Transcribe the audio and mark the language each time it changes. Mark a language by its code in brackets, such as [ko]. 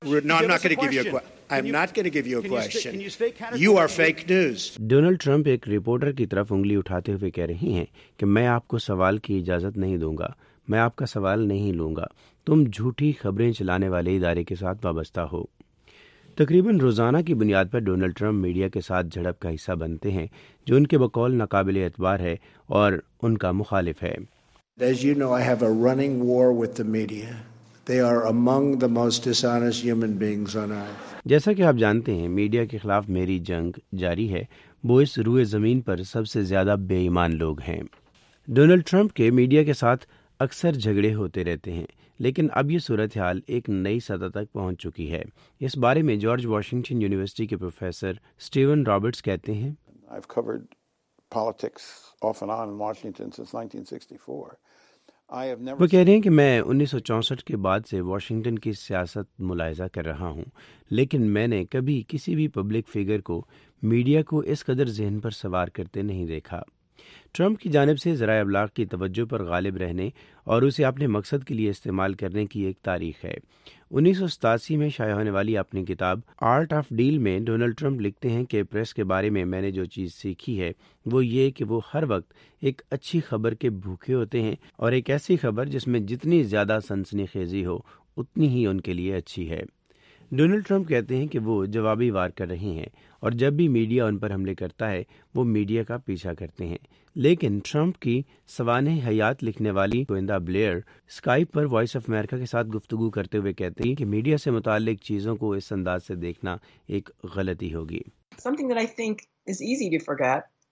[ur] Donald Trump ایک reporter کی طرف انگلی اٹھاتے ہوئے کہہ رہے ہیں کہ میں آپ کو سوال کی اجازت نہیں دوں گا, میں آپ کا سوال نہیں لوں گا, تم جھوٹی خبریں چلانے والے ادارے کے ساتھ وابستہ ہو. تقریباً روزانہ کی بنیاد پر ڈونلڈ ٹرمپ میڈیا کے ساتھ جھڑپ کا حصہ بنتے ہیں جو ان کے بقول ناقابل اعتبار ہے اور ان کا مخالف ہے. [en] As you know, I have a running war with the media. They are among the most dishonest human beings on earth. [ur] جیسا کہ آپ جانتے ہیں میڈیا کے خلاف میری جنگ جاری ہے. وہ اس روئے زمین پر سب سے زیادہ بے ایمان لوگ ہیں. ڈونلڈ ٹرمپ کے میڈیا کے ساتھ اکثر جھگڑے ہوتے رہتے ہیں, لیکن اب یہ صورتحال ایک نئی سطح تک پہنچ چکی ہے. اس بارے میں جارج واشنگٹن یونیورسٹی کے پروفیسر سٹیون رابرٹس کہتے ہیں, [en] I've covered politics off and on in Washington since 1964. [ur] وہ کہہ رہے ہیں کہ میں 1964 کے بعد سے واشنگٹن کی سیاست ملاحظہ کر رہا ہوں, لیکن میں نے کبھی کسی بھی پبلک فگر کو میڈیا کو اس قدر ذہن پر سوار کرتے نہیں دیکھا. ٹرمپ کی جانب سے ذرائع ابلاغ کی توجہ پر غالب رہنے اور اسے اپنے مقصد کے لیے استعمال کرنے کی ایک تاریخ ہے. 1987 میں شائع ہونے والی اپنی کتاب آرٹ آف ڈیل میں ڈونلڈ ٹرمپ لکھتے ہیں کہ پریس کے بارے میں میں نے جو چیز سیکھی ہے وہ یہ کہ وہ ہر وقت ایک اچھی خبر کے بھوکے ہوتے ہیں, اور ایک ایسی خبر جس میں جتنی زیادہ سنسنی خیزی ہو اتنی ہی ان کے لیے اچھی ہے. ڈونلڈ ٹرمپ کہتے ہیں کہ وہ جوابی وار کر رہے ہیں, اور جب بھی میڈیا ان پر حملے کرتا ہے وہ میڈیا کا پیچھا کرتے ہیں. لیکن ٹرمپ کی سوانح حیات لکھنے والی گویندا Blair Skype per voice of America کے ساتھ گفتگو کرتے ہوئے کہتی ہیں کہ میڈیا سے متعلق چیزوں کو اس انداز سے دیکھنا ایک غلطی ہوگی. [en] Something that I think is easy to forget.